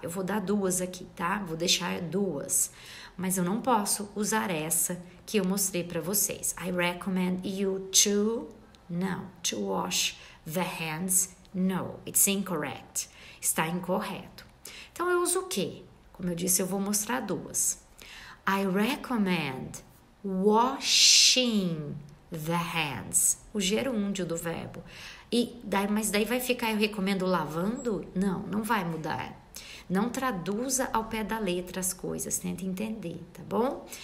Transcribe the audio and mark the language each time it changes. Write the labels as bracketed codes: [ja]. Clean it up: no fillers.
[pt] Eu vou dar duas aqui, tá? Vou deixar duas. Mas eu não posso usar essa que eu mostrei para vocês. [en] I recommend you to... Não, to wash the hands. [pt] No, it's incorrect. Está incorreto. Então, eu uso o quê? Como eu disse, eu vou mostrar duas. [en] I recommend washing the hands. [pt] O gerúndio do verbo. Mas daí vai ficar, eu recomendo lavando? Não, não vai mudar. Não traduza ao pé da letra as coisas, tenta entender, tá bom?